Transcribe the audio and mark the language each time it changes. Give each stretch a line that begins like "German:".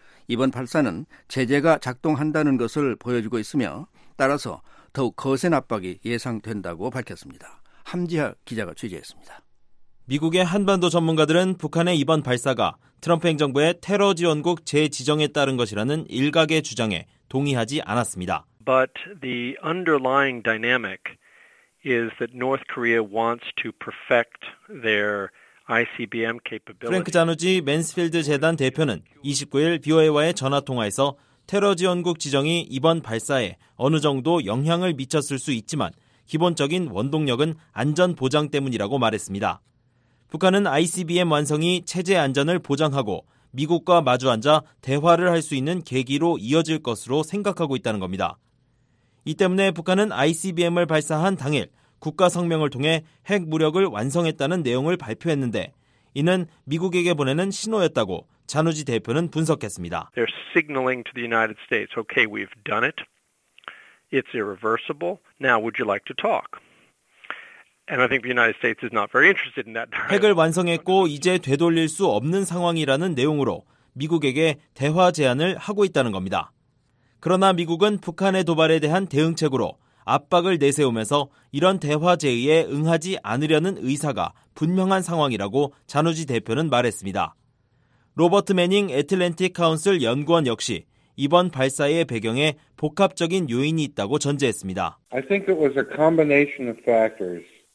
Korean: 이번 발사는 제재가 작동한다는 것을 보여주고 있으며 따라서 더욱 거센 압박이 예상된다고 밝혔습니다. 함지하 기자가 취재했습니다. 미국의 한반도 전문가들은 북한의 이번 발사가 트럼프 행정부의 테러 지원국 재지정에 따른 것이라는 일각의 주장에 동의하지 않았습니다.
English: But the underlying dynamic is that North Korea wants to perfect their ICBM capability.
Korean: 프랭크 자누지 맨스필드 재단 대표는 29일 BOA와의 전화 통화에서 테러 지원국 지정이 이번 발사에 어느 정도 영향을 미쳤을 수 있지만 기본적인 원동력은 안전 보장 때문이라고 말했습니다. 북한은 ICBM 완성이 체제 안전을 보장하고 미국과 마주 앉아 대화를 할 수 있는 계기로 이어질 것으로 생각하고 있다는 겁니다. 이 때문에 북한은 ICBM을 발사한 당일 국가 성명을 통해 핵 무력을 완성했다는 내용을 발표했는데 이는 미국에게 보내는 신호였다고 자누지 대표는 분석했습니다.
English: They're signaling to the United States, okay, we've done it. It's irreversible. Now would you like to talk? And I think the United States is not very interested in that.
Korean: 핵을 완성했고 이제 되돌릴 수 없는 상황이라는 내용으로 미국에게 대화 제안을 하고 있다는 겁니다. 그러나 미국은 북한의 도발에 대한 대응책으로 압박을 내세우면서 이런 대화 제의에 응하지 않으려는 의사가 분명한 상황이라고 자누지 대표는 말했습니다. 로버트 매닝 애틀랜틱 카운슬 연구원 역시 이번 발사의 배경에 복합적인 요인이 있다고 전제했습니다.
English: I think it was a combination of factors.